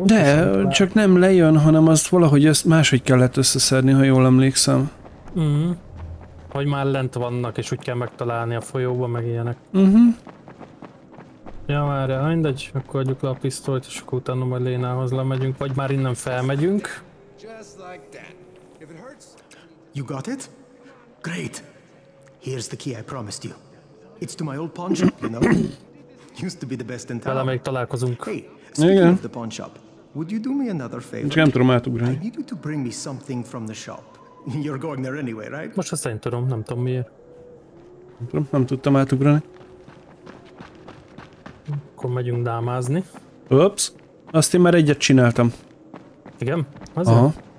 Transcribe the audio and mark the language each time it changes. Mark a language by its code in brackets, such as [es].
[hu] De, csak nem lejön, hanem azt valahogy ezt máshogy kellett összeszedni, ha jól emlékszem. Mhm. Hogy már lent vannak, és úgy kell megtalálni a folyóban, meg ilyenek. Mhm. Ja, várja, mindegy, akkor adjuk le a pisztolyt, és akkor utána majd Lénához lemegyünk, vagy már innen felmegyünk. [en] You got it? Great. Here's the key I promised you. It's to my old pawn shop, you know? Used to be the best in town. [hu] Vele még találkozunk. [en] Hey, speaking of the pawn shop, would you do me another favor? [hu] Csak nem tudom átugrani. [en] I need you to bring me something from the shop. You're going there anyway, right? [hu] Most azt én tudom, nem tudom miért. Nem tudom, nem tudtam átugrani. Akkor megyünk dámázni. Ups, azt én már egyet csináltam. Igen, azért? Aha.